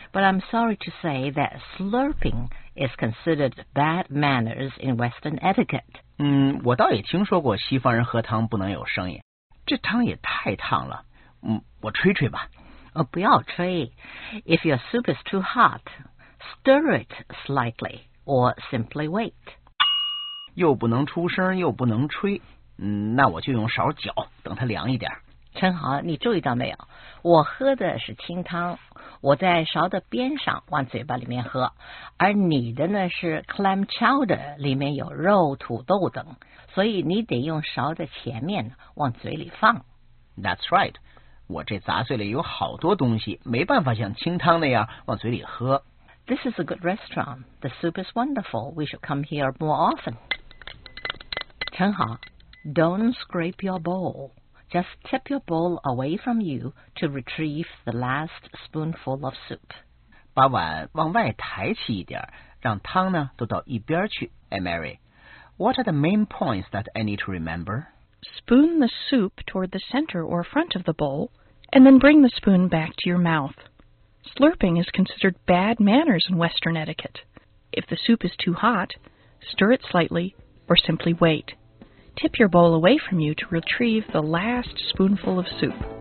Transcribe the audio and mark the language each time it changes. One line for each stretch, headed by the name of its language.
English: But I'm sorry to say that slurping is considered bad manners in Western etiquette.
Chinese: 我倒也听说过西方人喝汤不能有声音。这汤也太烫了。我吹吹吧。不要吹。
English: If your soup is too hot, stir it slightly or simply wait.
Chinese: 又不能出声又不能吹，那我就用勺搅，等它凉一点。陈豪，你注意到没有，我喝的是清汤，我在勺的边上往嘴巴里面喝，而你的呢是 clam chowder， 里面有肉土豆等，所以你得用勺的前面往嘴里放。
English: That's right，
Chinese: 我这杂碎里有好多东西，没办法像清汤那样往嘴里喝。
English: This is a good restaurant. The soup is wonderful. We should come here more often. 陈豪， don't scrape your bowl. Just tip your bowl away from you to retrieve the last spoonful of soup.
Chinese: 把碗往外抬起一点，让汤呢都到一边去。
English: 哎， Mary, what are the main points that I need to remember? Spoon the soup toward the center or front of the bowl, and then bring the spoon back to your mouth. Slurping is considered bad manners in Western etiquette. If the soup is too hot, stir it slightly or simply wait. Tip your bowl away from you to retrieve the last spoonful of soup.